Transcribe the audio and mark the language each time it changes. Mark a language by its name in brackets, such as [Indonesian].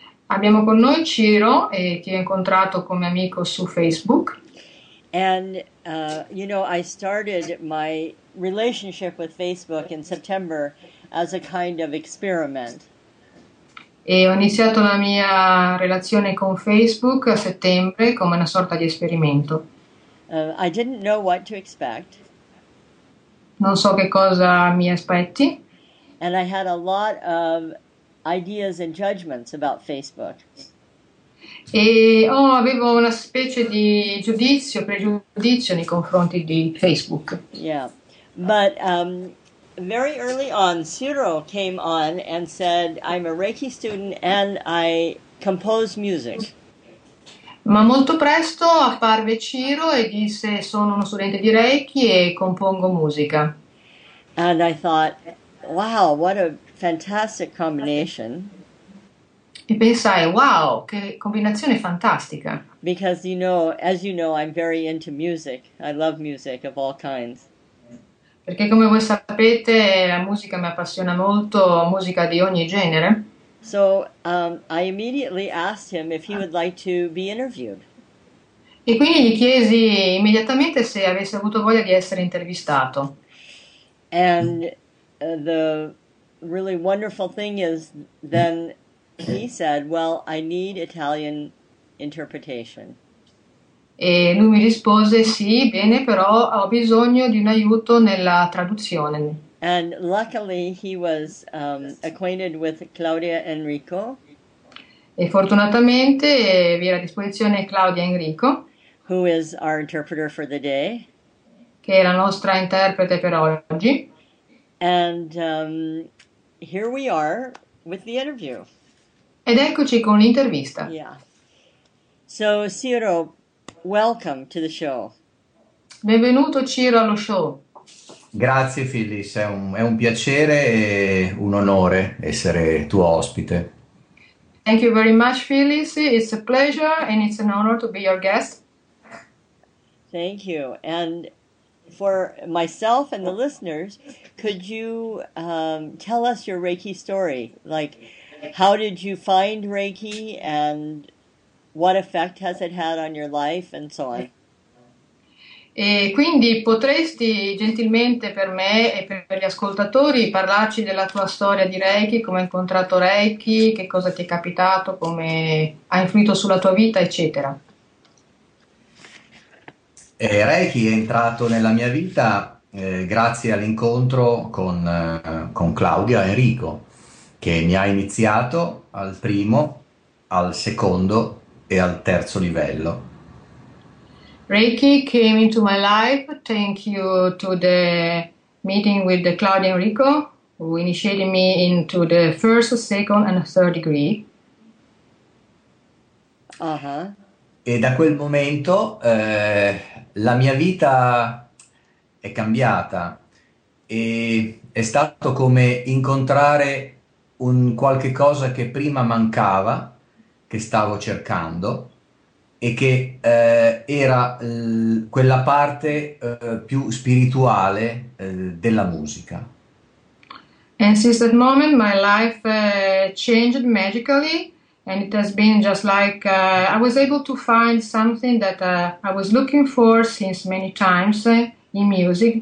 [Italian] Abbiamo con noi Ciro, che ho incontrato come amico su Facebook. [English] And, you know, I started my relationship with Facebook in September as a kind of experiment. [Italian] E ho iniziato la mia relazione con Facebook a settembre come una sorta di esperimento. [English] I didn't know what to expect. [Italian] Non so che cosa mi aspetti. [English] And I had a lot of ideas and judgments about Facebook. [Italian] E avevo una specie di giudizio, pregiudizio nei confronti di Facebook. [English] Yeah, but very early on, Ciro came on and said, "I'm a Reiki student and I compose music." [Italian] Ma molto presto apparve Ciro e disse, "Sono uno studente di Reiki e compongo musica." [English] And I thought, "Wow, what a fantastic combination." [Italian] E pensai, wow, che combinazione fantastica. [English] Because you know, as you know, I'm very into music. I love music of all kinds. [Italian] Perché come voi sapete, la musica mi appassiona molto, musica di ogni genere. [English] So, I immediately asked him if he would like to be interviewed. [Italian] E quindi gli chiesi immediatamente se avesse avuto voglia di essere intervistato. [English] And the really wonderful thing is then he said, "Well, I need Italian interpretation." [Italian] E lui mi rispose, "Sì, bene, però ho bisogno di un aiuto nella traduzione." [English] And luckily he was acquainted with Claudia Enrico. [Italian] E fortunatamente vi era a disposizione Claudia Enrico, [English] who is our interpreter for the day, [Italian] che è la nostra interprete per oggi. [English] And here we are with the interview. [Italian] Ed eccoci con l'intervista. [English] Yeah. So, Ciro, welcome to the show. [Italian] Benvenuto, Ciro, allo show. Grazie, Phyllis. È un piacere e un onore essere tuo ospite. [English] Thank you very much, Phyllis. It's a pleasure and it's an honor to be your guest. Thank you. And for myself and the listeners, could you tell us your Reiki story? Like, how did you find Reiki and what effect has it had on your life and so on? [Italian] E quindi potresti gentilmente per me e per gli ascoltatori parlarci della tua storia di Reiki, come hai incontrato Reiki, che cosa ti è capitato, come ha influito sulla tua vita, eccetera. Reiki è entrato nella mia vita grazie all'incontro con Claudia Enrico, che mi ha iniziato al primo, al secondo e al terzo livello. [English] Reiki came into my life thank you to the meeting with Claudia Enrico, who initiated me into the first, second and third degree. [Italian] E da quel momento la mia vita è cambiata e è stato come incontrare un qualche cosa che prima mancava, che stavo cercando e che era quella parte più spirituale della musica. [English] And since that moment my life changed magically. And it has been just like I was able to find something that I was looking for since many times in music.